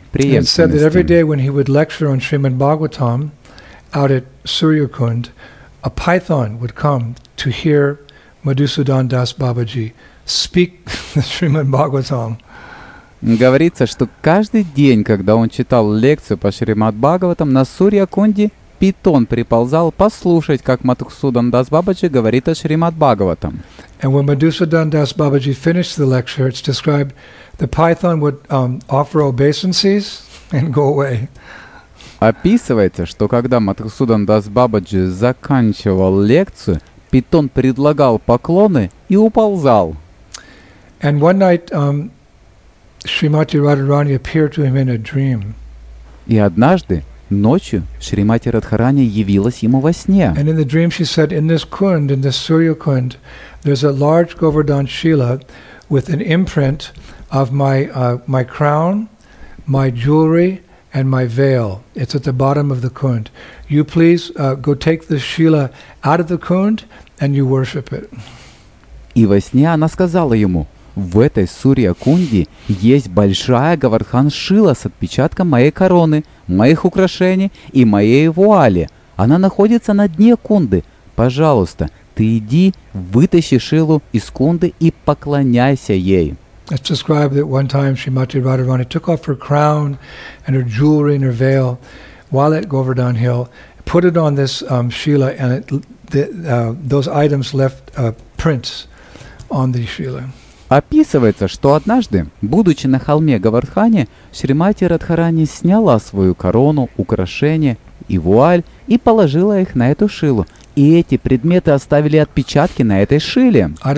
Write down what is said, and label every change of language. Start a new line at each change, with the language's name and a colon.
English: It said that every day when he would lecture on Srimad Bhagavatam out at Suryakund, a python would come to hear Madhusudan Das Babaji speak Srimad Bhagavatam.
Russian: Говорится, что каждый день, когда он читал лекцию по Шримад Бхагаватам, на Сурья-кунде питон приползал послушать, как Madhusudan Das Babaji говорит о Шримад Бхагаватам.
English: And when Madhusudan Das Babaji finished the lecture, it's described the python would offer obeisances and go away.
Russian: Описывается, что когда Madhusudan Das Babaji заканчивал лекцию, питон предлагал поклоны и уползал.
English: And one night Shrimati Radharani appeared to him in a dream.
Russian: И однажды ночью Шримати Радхарани явилась ему во сне.
English: And in the dream she said, in this kund, in this Surya kund, there's a large Govardhan Shila with an imprint of my crown, my jewelry, and my veil. It's at the bottom of the kund. You please go take the Shila out of the kund. And you worship it.
Russian: И во сне она сказала ему, в этой Сурья-кунде есть большая Говардхан-шила с отпечатком моей короны, моих украшений и моей вуали. Она находится на дне кунды. Пожалуйста, ты иди, вытащи шилу из кунды и поклоняйся ей.
English: It's described that one time Srimati Radharani took off her crown and her jewelry and her veil while at Govardhan Hill, put it on this shila, and it, those items left prints on the shila.
Russian: Описывается, что однажды, будучи на холме Говардхане, Шримати Радхарани сняла свою корону, украшения и вуаль и положила их на эту шилу. И эти предметы оставили отпечатки на этой шиле.